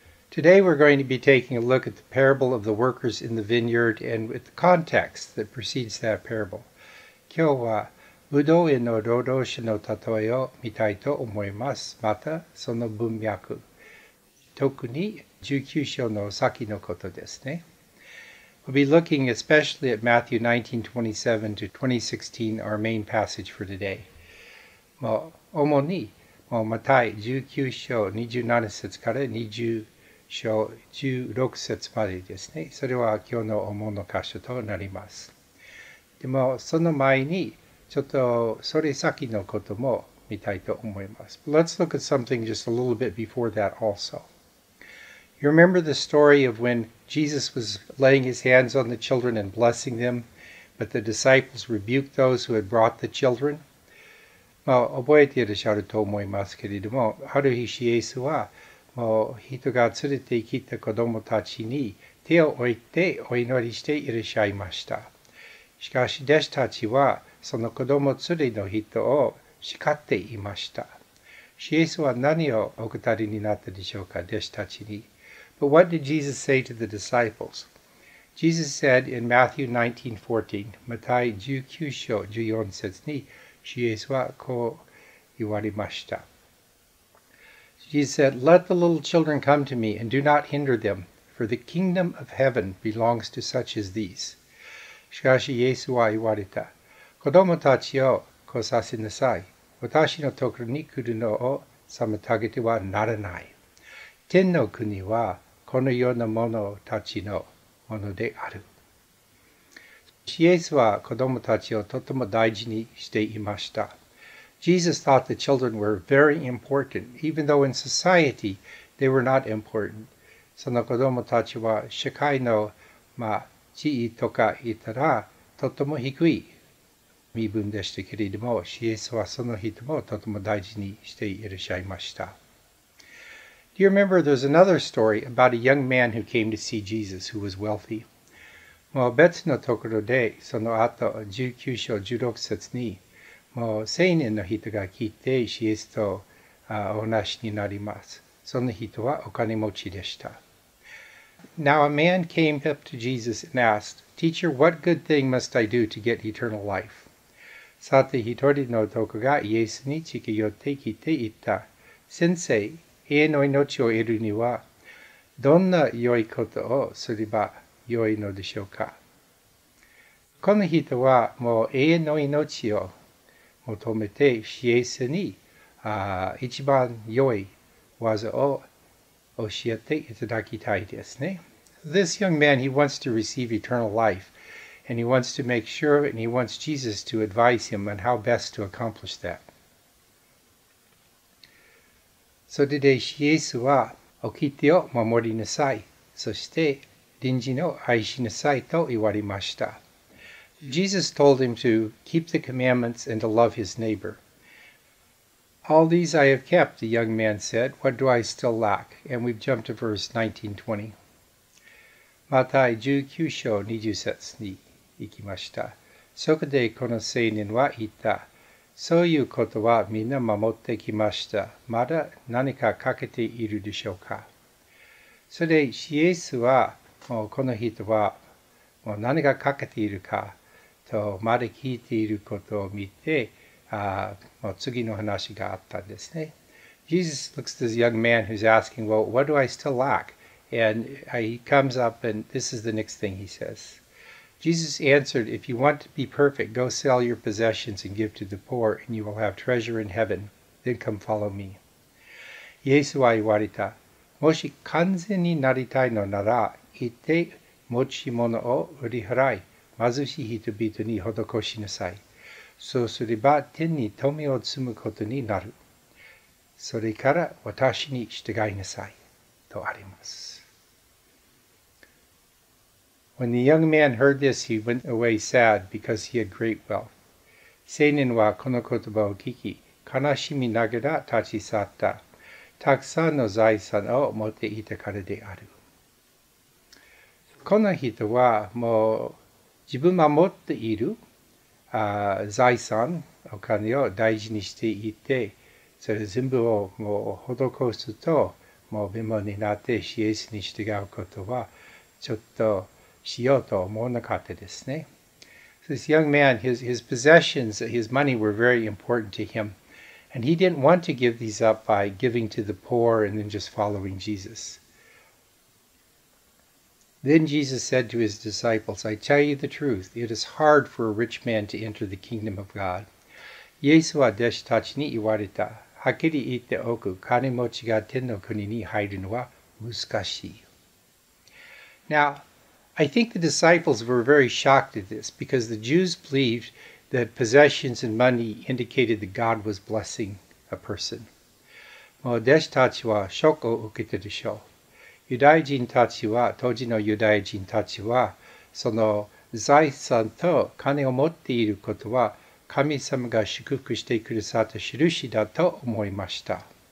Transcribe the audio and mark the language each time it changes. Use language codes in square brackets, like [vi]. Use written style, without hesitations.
[en] Today we're going to be taking a look at the parable of the workers in the vineyard and with the context that precedes that parable. [ja] 今日はブドウ園の労働者のたとえを見たいと思います。またその文脈、特に19章の先のことですね。 [en] We'll be looking especially at Matthew 19:27 to 20:16, our main passage for today. [ja] もう主にもうマタイ19章27節から20章16節までですね。それは今日の主の箇所となります。でもその前にちょっとそれ先のことも見たいと思います。 [en] But、let's look at something just a little bit before that also. You remember the story of when Jesus was laying his hands on the children and blessing them, but the disciples rebuked those who had brought the children? [ja] まあ覚えていらっしゃると思いますけれども、ある日イエスは人が連れて来た子供たちに手を置いてお祈りしていらっしゃいました。しかし弟子たちはその子供連れの人を叱っていました。イエスは何をお答えになったでしょうか、弟子たちに。 [en] But what did Jesus say to the disciples? Jesus said in Matthew 19:14, [ja] マタイ19章14節にイエスはこう言われました。 [en] Jesus said, Let the little children come to me and do not hinder them, for the kingdom of heaven belongs to such as these. [ja] しかしイエスは言われた。子供たちを来させなさい。私のところに来るのを妨げてはならない。天の国はこのような者たちのものである。イエスは子供たちをとても大事にしていました。 [en] Jesus thought the children were very important, even though in society they were not important. [ja] その子供たちは社会の、まあ、地位とか言ったらとても低い身分でしたけれども、イエスはその人もとても大事にしていらっしゃいました。 [en] Do you remember there's another story about a young man who came to see Jesus who was wealthy? [ja] もう別のところでその後19章16節にもう青年の人が来て、イエスとお話になります。その人はお金持ちでした。 [en] Now a man came up to Jesus and asked, Teacher, what good thing must I do to get eternal life? [ja] さて、一人の男がイエスに近寄ってきて言った。先生、永遠の命を得るには、どんな良いことをすれば良いのでしょうか。この人はもう永遠の命を求めてイエスに一番良い技を教えていただきたいですね。 [en] This young man, he wants to receive eternal life, and he wants to make sure, and he wants Jesus to advise him on how best to accomplish that. [ja] それでイエスは、おきてを守りなさい、そして隣人を愛しなさいと言われました。 [en] Jesus told him to keep the commandments and to love his neighbor. All these I have kept, the young man said. What do I still lack? And we've jumped to verse 19:20. [ja] Matai 19章20節に行きました。そこでこの青年は言った。そういうことはみんな守ってきました。まだ何か欠けているでしょうか。それでイエスはもうこの人はもう何が欠けているか。とまだ聞いていることを見て、もう次の話があったんですね。 [en] Jesus looks at this young man who's asking, well, what do I still lack? And he comes up and this is the next thing he says. Jesus answered, if you want to be perfect, go sell your possessions and give to the poor, and you will have treasure in heaven. Then come follow me. [ja] イエスは言われた。もし完全になりたいのなら、行って持ち物を売り払い。貧しい人々に施しなさい。そうすれば天に富を積むことになる。それから私に従いなさい。とあります。 [en] When the young man heard this, he went away sad because he had great wealth. [ja] 青年はこの言葉を聞き、悲しみながら立ち去った。たくさんの財産を持っていたからである。この人はもう自分が持っている財産、お金を大事にしていて、それ全部をもう施すと、もう貧乏になってイエスに従うことはちょっとしようと思わなかったですね。 [en] This young man, his possessions, his money were very important to him. And he didn't want to give these up by giving to the poor and then just following Jesus. Then Jesus said to his disciples, I tell you the truth, it is hard for a rich man to enter the kingdom of God. [ja] イエスは弟子たちに言われた。はっきり言っておく、金持ちが天の国に入るのは難しい。 [en] Now, I think the disciples were very shocked at this because the Jews believed that possessions and money indicated that God was blessing a person. [ja] もう弟子たちはショックを受けたでしょう。ユダヤ人たちは、当時のユダヤ人たちは、その財産と金を持っていることは、神様が祝福してくださった印だと思いました。